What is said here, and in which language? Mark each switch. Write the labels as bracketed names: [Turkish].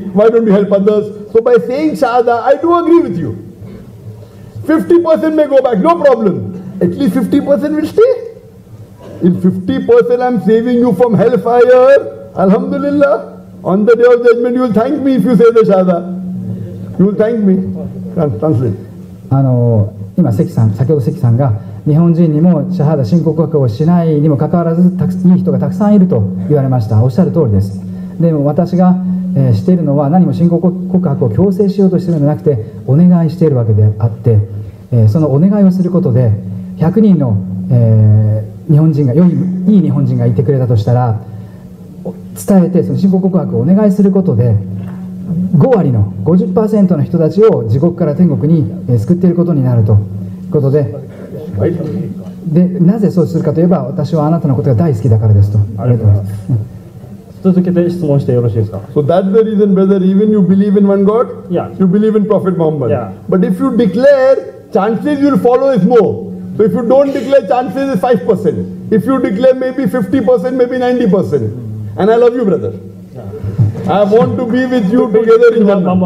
[English] Why don't you help others? So by saying Shahada, I do agree with you. 50% may go back, no problem. At least 50% will stay. If 50% I'm saving you from hellfire, Alhamdulillah, on the day of judgment, you will thank me if you say the Shahada. You will thank me. Translate. [Japanese] 今関さん、先ほど関さんが日本人にもシャハダ申告枠をしないにもかかわらずいい人がたくさんいると言われました。おっしゃる通りです。でも私が、しているのは何も申告枠を強制しようとしているのではなくて、お願いしているわけであって、そのお願いをすることで100人の、日本人が良い、いい日本人がいてくれたとしたら、伝えてその申告枠をお願いすることで5割の 50% の人たちを地獄から天国に救っていることになるということで、でなぜそうするかといえば、私はあなたのことが大好きだからですと。ありがとうございます。続けて質問してよろしいですか。 [English] So that's the reason, brother, even you believe in one God, you believe in Prophet Muhammad. But if you declare, chances you'll follow is more. So if you don't declare, chances is 5%. If you declare, maybe 50%, maybe 90%. And I love you, brother. I want to be with you together in Jannah.